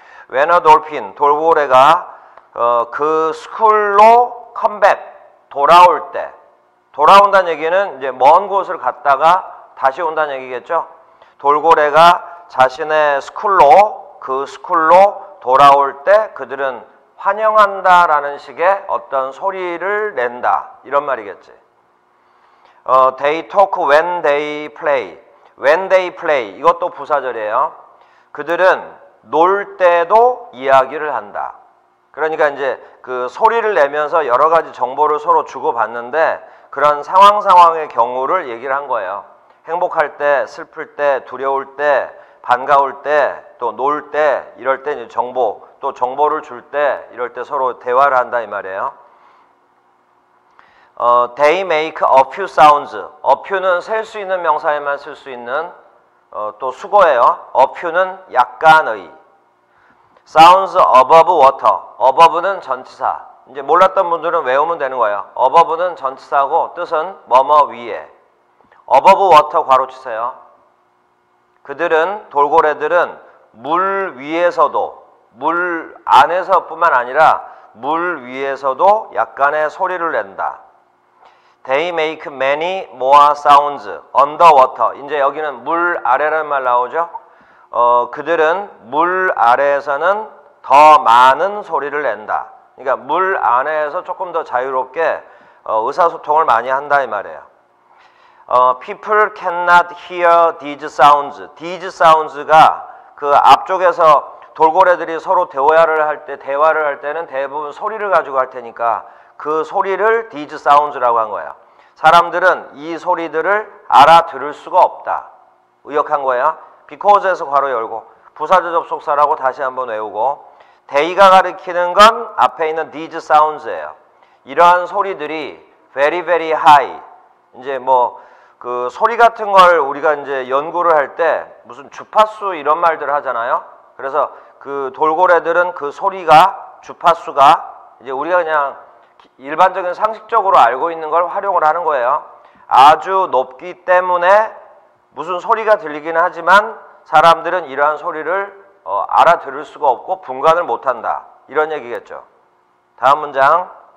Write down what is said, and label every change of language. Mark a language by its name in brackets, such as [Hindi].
[English] When a dolphin, [Korean] 돌고래가 그 스쿨로 컴백, 돌아올 때 돌아온다는 얘기는 이제 먼 곳을 갔다가 다시 온다는 얘기겠죠. 돌고래가 자신의 스쿨로 그 스쿨로 돌아올 때 그들은 환영한다라는 식의 어떤 소리를 낸다. 이런 말이겠지. [English] They talk when they play. When they play. [Korean] 이것도 부사절이에요. 그들은 놀 때도 이야기를 한다. 그러니까 이제 그 소리를 내면서 여러 가지 정보를 서로 주고받는데 그런 상황 상황의 경우를 얘기를 한 거예요. 행복할 때, 슬플 때, 두려울 때, 반가울 때, 또 놀 때, 이럴 때 이제 정보, 또 정보를 줄 때, 이럴 때 서로 대화를 한다 이 말이에요. [English] They make a few sounds. [Korean] A few는 셀 수 있는 명사에만 쓸 수 있는 또 수거예요. [English] A few는 약간의. Sounds above water. [Korean] Above는 전치사. 이제 몰랐던 분들은 외우면 되는 거예요. Above는 전치사고 뜻은 뭐뭐 위에. Above water 괄호 치세요. 그들은 돌고래들은 물 위에서도 물 안에서뿐만 아니라 물 위에서도 약간의 소리를 낸다. [English] They make many more sounds underwater. [Korean] 이제 여기는 물 아래라는 말 나오죠. 그들은 물 아래에서는 더 많은 소리를 낸다. 그러니까 물 안에서 조금 더 자유롭게 의사소통을 많이 한다 이 말이에요. [English] People cannot hear these sounds. [Korean] These sounds가 그 앞쪽에서 돌고래들이 서로 대화를 할 때, 대화를 할 때는 대부분 소리를 가지고 할 테니까 그 소리를 these sounds라고 한 거예요. 사람들은 이 소리들을 알아들을 수가 없다. 의역한 거예요. Because에서 괄호 열고 부사절 접속사라고 다시 한번 외우고 they가 가리키는 건 앞에 있는 these sounds예요. 이러한 소리들이 [English] very very high. [Korean] 이제 뭐 그 소리 같은 걸 우리가 이제 연구를 할 때 무슨 주파수 이런 말들 하잖아요. 그래서 그 돌고래들은 그 소리가 주파수가 이제 우리가 그냥 일반적인 상식적으로 알고 있는 걸 활용을 하는 거예요. 아주 높기 때문에 무슨 소리가 들리긴 하지만 사람들은 이러한 소리를 알아들을 수가 없고 분간을 못한다. 이런 얘기겠죠. 다음 문장.